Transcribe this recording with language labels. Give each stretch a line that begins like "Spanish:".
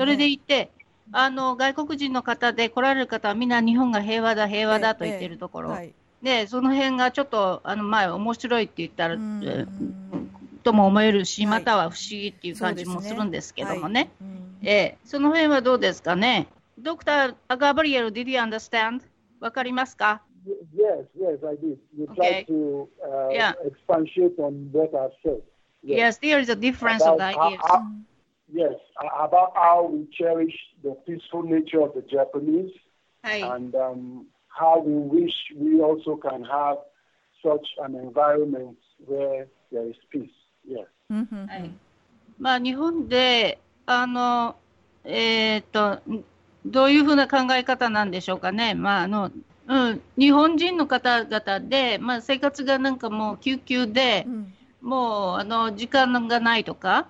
Japanese: それでいて外国人の方で来られる方はみんな日本が平和だ平和だと言ってるところ、はい、でその辺がちょっと前面白いって言ったらとも思えるし、または不思議っていう感じもするんですけどもね、はい、その辺はどうですかね、ドクター・ガブリエル、
English: did you understand?
Japanese: わかりますか？
English: Yes, yes, I did. You tried to expansion on what I said. Yes, there is a difference about, of the ideas. Yes, about how we cherish the peaceful nature of the Japanese、
Japanese: はい、
English: and how we wish we also can have such an environment where there is peace. Yes. 、
Japanese: はい、まあ、日本で、どういうふうな考え方なんでしょうかね、まあうん、日本人の方々で、まあ、生活がなんかもう救急で、うん、もう時間がないとか、